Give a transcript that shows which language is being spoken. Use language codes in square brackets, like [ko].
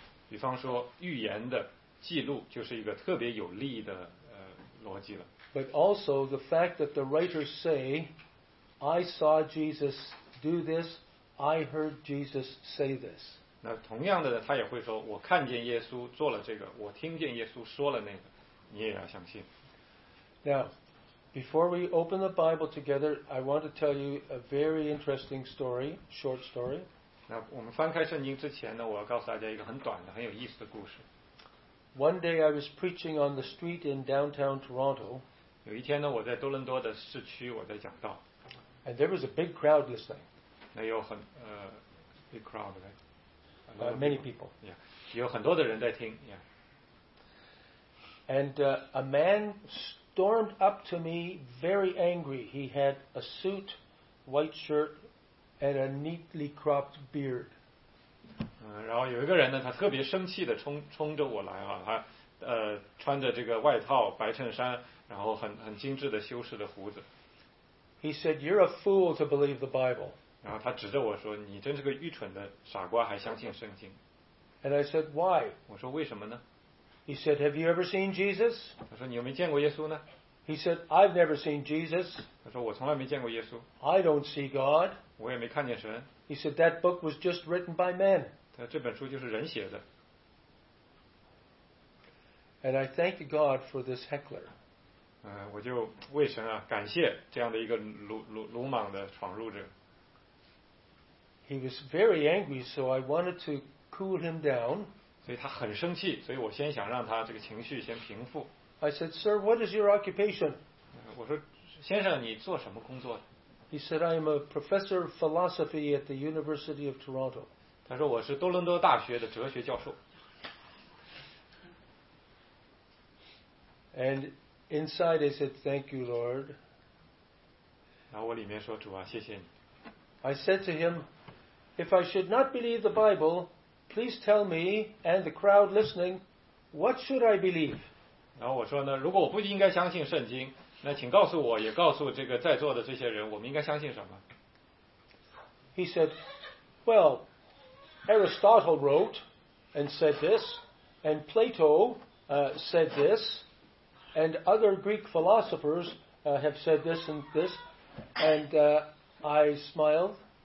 [zh] 比方说，预言的记录就是一个特别有力的逻辑了。 [en] But also the fact that the writers say, "I saw Jesus do this. I heard Jesus say this." [zh] 那同样的呢，他也会说，我看见耶稣做了这个，我听见耶稣说了那个。你也要相信。 [en] Now, before we open the Bible together, I want to tell you a very interesting story, short story. [zh] 那我们翻开圣经之前呢，我要告诉大家一个很短的、很有意思的故事。 [en] One day I was preaching on the street in downtown Toronto. [zh] 有一天呢，我在多伦多的市区，我在讲道。 [en] And there was a big crowd listening. [zh] 那有很 [en] big crowd, right? Many people. [zh] Yeah, 有很多的人在听。Yeah. [en] And a man stormed up to me, very angry. He had a suit, white shirt, and a neatly cropped beard. [zh] 然后有一个人呢，他特别生气的冲着我来啊，他穿着这个外套，白衬衫。然后很精致的修饰的胡子。 [en] He said, "You're a fool to believe the Bible." [zh] 然后他指着我说，你真是个愚蠢的傻瓜，还相信圣经。 [en] And I said, "Why?" [zh] 我说为什么呢？ [en] He said, "Have you ever seen Jesus?" [zh] 他说你有没有见过耶稣呢？ [en] He said, "I've never seen Jesus." [zh] 他说我从来没见过耶稣。 [en] I don't see God. [zh] 我也没看见神。 [en] He said, "That book was just written by men." [zh] 他说这本书就是人写的。 [en] And I thank God for this heckler. [zh] 我就为神啊感谢这样的一个鲁莽的闯入者。 [en] He was very angry, so I wanted to cool him down. [zh] 所以他很生气，所以我先想让他这个情绪先平复。 [en] I said, "Sir, what is your occupation?" [zh] 我说，先生，你做什么工作 [en] ？He said, "I am a professor of philosophy at the University of Toronto." [zh] 他说我是多伦多大学的哲学教授。 [en] And Inside, I said, "Thank you, Lord." [zh] 然后我里面说主啊，谢谢你。 [en] I said to him, "If I should not believe the Bible, please tell me and the crowd listening, what should I believe?" [zh] 然后我说呢，如果我不应该相信圣经，那请告诉我，也告诉这个在座的这些人，我们应该相信什么 [en] ？He said, "Well, Aristotle wrote and said this, and Plato said this." And other Greek philosophers have said this and this, and I smiled.